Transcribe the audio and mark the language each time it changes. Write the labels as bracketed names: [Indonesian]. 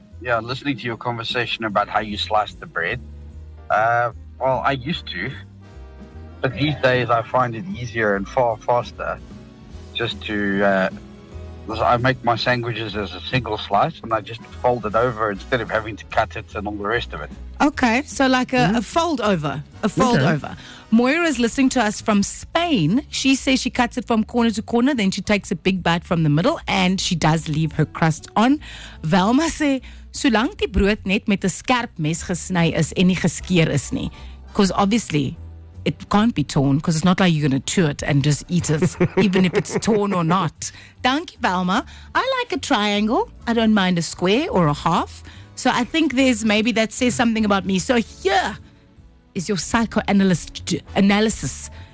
[English] Yeah, listening to your conversation about how you slice the bread. Well, I used to, but these days I find it easier and far faster just to, I make my sandwiches as a single slice and I just fold it over instead of having to cut it and all the rest of it. Okay, so like a fold over. Moira's listening to us from Spain. She says she cuts it from corner to corner, then she takes a big bite from the middle and she does leave her crust on. [Afrikaans] Velma sê, solang die brood net met 'n skerp mes gesny is en nie geskeer is nie. [English] Because obviously, it can't be torn because it's not like you're going to chew it and just eat it, even if it's torn or not. [Afrikaans] Dankie, Velma. [English] I like a triangle. I don't mind a square or a half. So I think there's maybe that says something about me. So here is your psychoanalysis.